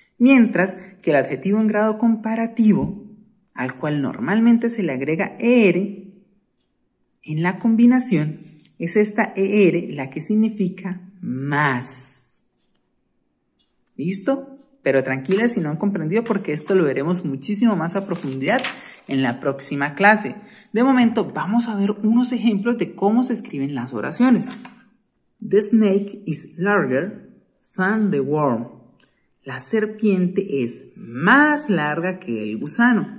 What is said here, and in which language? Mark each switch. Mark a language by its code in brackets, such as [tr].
[es] Mientras que el adjetivo en grado comparativo, al cual normalmente se le agrega er, en la combinación, es esta er la que significa más. ¿Listo? Pero tranquila si no han comprendido porque esto lo veremos muchísimo más a profundidad en la próxima clase. De momento vamos a ver unos ejemplos de cómo se escriben las oraciones. [en] The snake is larger than the worm. [es] La serpiente es más larga que el gusano.